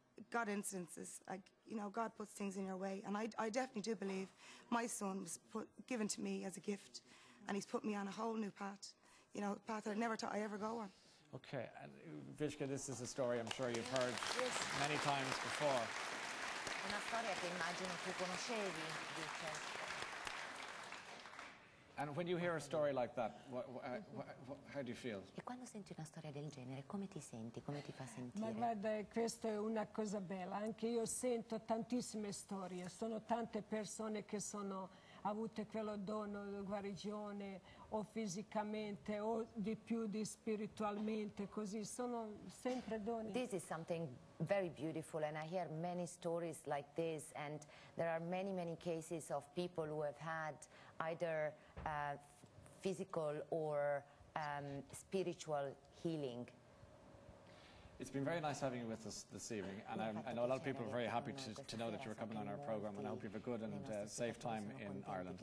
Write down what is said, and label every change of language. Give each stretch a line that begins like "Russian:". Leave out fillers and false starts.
English: God instances, like, you know, God puts things in your way. And I definitely do believe my son was put, given to me as a gift, and he's put me on a whole new path, you know, a path that I never thought I'd ever go on. Okay, and Vicka, this is a story I'm sure you've heard many times before.
Italian: Una storia che immagino tu conoscevi, Vicka.
English: And when you hear a story like that, how do you feel?
Italian: E quando senti una storia del genere, come ti senti? Come ti fa sentire? Ma guarda, questa è una cosa bella. Anche io sento tantissime storie. Sono tante persone che sono avute quello dono di guarigione o fisicamente o di più di spiritualmente, così sono sempre doni.
English: This is something very beautiful, and I hear many stories like this, and there are many, many cases of people who have had either physical or spiritual healing. It's been very nice having you with us this evening, and I know a lot of people are very happy to know that you were coming on our program, and I hope you have a good and safe time in Ireland.